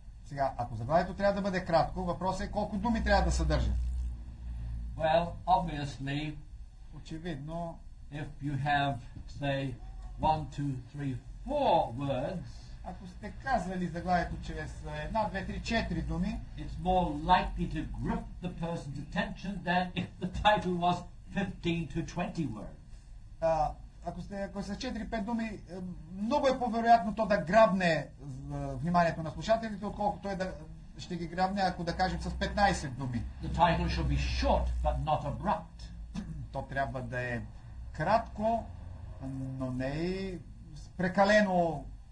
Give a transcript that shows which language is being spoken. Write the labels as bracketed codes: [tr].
[bg] Сега, ако заглавието трябва да бъде кратко, въпросът е колко думи трябва да съдържа. [en] Well, obviously, [bg] очевидно, [en] if you have say 1 2 3 4 words, [bg] ако сте казвали заглавието чрез 1 2 3 4 думи, [en] it's more likely to grip the person's attention than if the title was 15 to 20 words. [bg] Ако сте, ако са 4-5 думи, много е по-вероятно то да грабне вниманието на слушателите, отколкото е да ще ги грабне, ако да кажем с 15 думи. [en] The title should be short, but not abrupt. [bg] То трябва да е кратко, но не и прекалено.